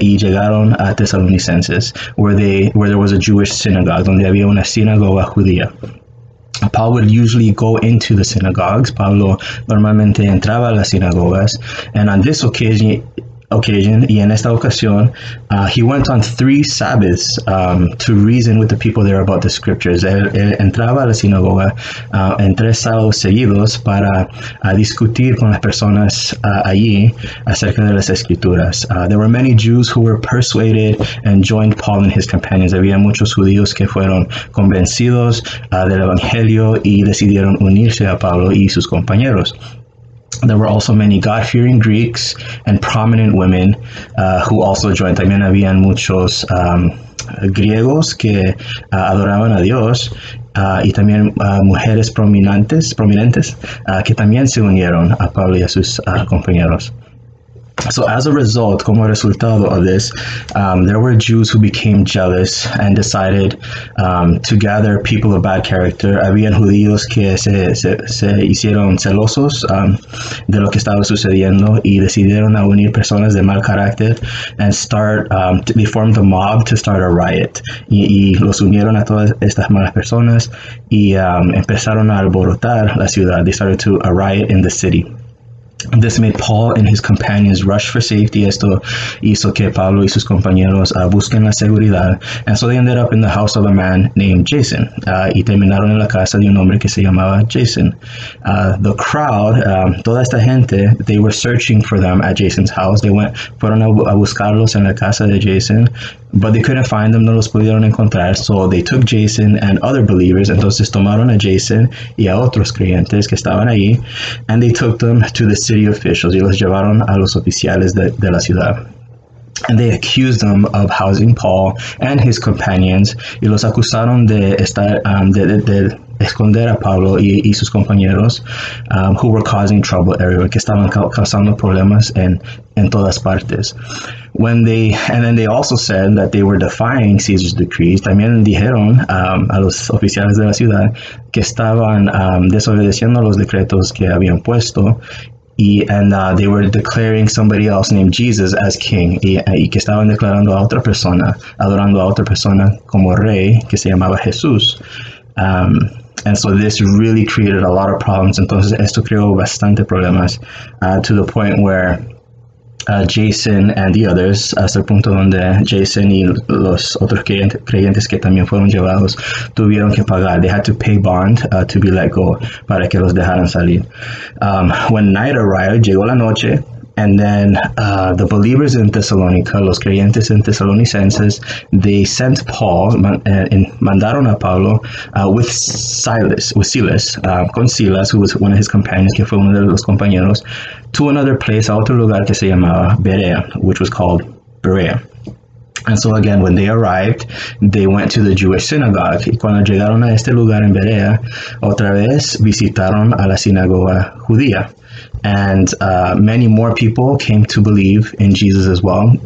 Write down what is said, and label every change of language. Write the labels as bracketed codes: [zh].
[es] Y llegaron a Tesalonisenses, [en] where there was a Jewish synagogue, [es] donde había una sinagoga judía. [en] Paul would usually go into the synagogues. [es] Pablo normalmente entraba a las sinagogas. [en] And on this occasion, [es] y en esta ocasión, [en] he went on three Sabbaths to reason with the people there about the scriptures. [es] Él entraba a la sinagoga en tres sábados seguidos para discutir con las personas allí acerca de las escrituras. [en] There were many Jews who were persuaded and joined Paul and his companions. [es] Había muchos judíos que fueron convencidos del evangelio y decidieron unirse a Pablo y sus compañeros. [en] There were also many God-fearing Greeks and prominent women who also joined. [es] También habían muchos griegos que adoraban a Dios y también mujeres prominentes que también se unieron a Pablo y a sus compañeros. [en] So as a result, [es] como resultado [en] of this, there were Jews who became jealous and decided to gather people of bad character. [es] Habían judíos que se hicieron celosos de lo que estaba sucediendo y decidieron a unir personas de mal carácter [en] and start, they formed a mob to start a riot. [es] Y los unieron a todas estas malas personas y empezaron a alborotar la ciudad. [en] They started to a riot in the city. This made Paul and his companions rush for safety. [es] Esto hizo que Pablo y sus compañeros busquen la seguridad. [en] And so they ended up in the house of a man named Jason. [es] Y terminaron en la casa de un hombre que se llamaba Jason. [en] The crowd, [es] toda esta gente, [en] they were searching for them at Jason's house. They went, [es] fueron a buscarlos en la casa de Jason. [en] But they couldn't find them, [es] no los pudieron encontrar, [en] so they took Jason and other believers, [es] entonces tomaron a Jason y a otros creyentes que estaban ahí, [en] and they took them to the city officials, [es] y los llevaron a los oficiales de la ciudad. [en] And they accused them of housing Paul and his companions, [es] y los acusaron de estar, de esconder a Pablo y sus compañeros, [en] who were causing trouble everywhere, [es] que estaban causando problemas en todas partes. [en] When they, and then they also said that they were defying Caesar's decrees. [es] También dijeron a los oficiales de la ciudad que estaban desobedeciendo los decretos que habían puesto. [en] And they were declaring somebody else named Jesus as king. [es] Y que estaban declarando a otra persona, adorando a otra persona como rey, que se llamaba Jesús. [en] And so this really created a lot of problems. [es] Entonces esto creó bastante problemas [en] to the point where Jason and the others, [es] hasta el punto donde Jason y los otros creyentes que también fueron llevados tuvieron que pagar. [en] They had to pay bond to be let go [es] para que los dejaran salir. [en] When night arrived, [es] llegó la noche, [en] and then the believers in Thessalonica, [es] los creyentes en Tesalonicenses, [en] they sent Paul, [es] mandaron a Pablo [en] with Silas, who was one of his companions, [es] que fue uno de los compañeros, [en] to another place, [es] a otro lugar que se llamaba Berea, [en] which was called Berea. And so again, when they arrived, they went to the Jewish synagogue. [es] Y cuando llegaron a este lugar en Berea, otra vez visitaron a la sinagoga judía. [en] And many more people came to believe in Jesus as well.